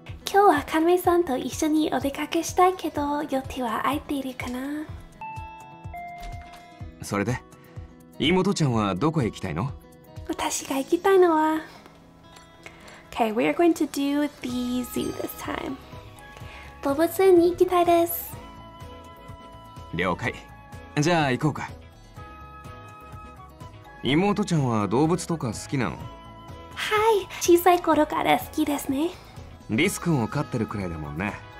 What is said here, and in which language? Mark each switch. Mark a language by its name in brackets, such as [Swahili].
[Japanese] 今日はカナメさんと一緒にお出かけしたいけど予定は空いているかな。それで妹ちゃんはどこへ行きたいの？私が行きたいのは [English] Okay, we are going to do the zoo this time. [Japanese] 動物園に行きたいです。了解、じゃあ行こうか。妹ちゃんは動物とか好きなの？はい、小さい頃から好きですね。リス君を飼ってるくらいだもんね。